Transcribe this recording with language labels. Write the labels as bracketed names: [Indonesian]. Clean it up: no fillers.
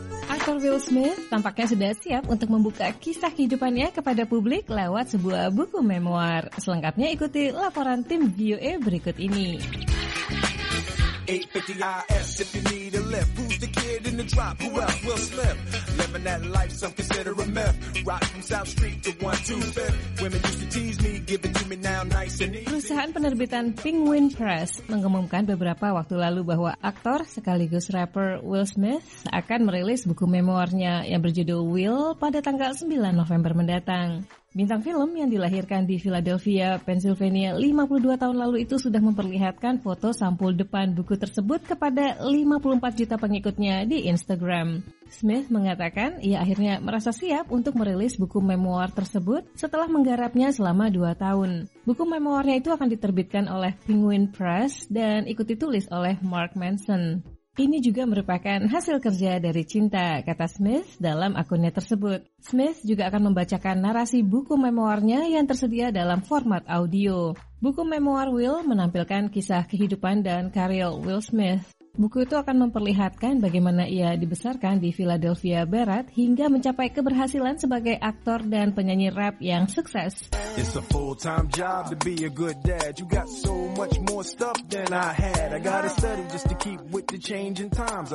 [Indonesian] Aktor Will Smith tampaknya sudah siap untuk membuka kisah kehidupannya kepada publik lewat sebuah buku memoir. Selengkapnya ikuti laporan tim VOA berikut ini. [English] 850 IS, if you need a lift, who's the kid in the drop, who else will slip, living that life, some consider a myth, rock from South Street to 125, women used to tease me, give it to me now, nice and easy. [Indonesian] Perusahaan penerbitan Penguin Press mengumumkan beberapa waktu lalu bahwa aktor sekaligus rapper Will Smith akan merilis buku memoirnya yang berjudul Will pada tanggal 9 November mendatang. Bintang film yang dilahirkan di Philadelphia, Pennsylvania 52 tahun lalu itu sudah memperlihatkan foto sampul depan buku tersebut kepada 54 juta pengikutnya di Instagram. Smith mengatakan ia akhirnya merasa siap untuk merilis buku memoir tersebut setelah menggarapnya selama 2 tahun. Buku memoirnya itu akan diterbitkan oleh Penguin Press dan ikut ditulis oleh Mark Manson. Ini juga merupakan hasil kerja dari cinta, kata Smith dalam akunnya tersebut. Smith juga akan membacakan narasi buku memoirnya yang tersedia dalam format audio. Buku memoir Will menampilkan kisah kehidupan dan karir Will Smith. Buku itu akan memperlihatkan bagaimana ia dibesarkan di Philadelphia Barat hingga mencapai keberhasilan sebagai aktor dan penyanyi rap yang sukses. [English] It's a full-time job to be a good dad. You got so much more stuff than I had. I gotta study just to keep with the changing times.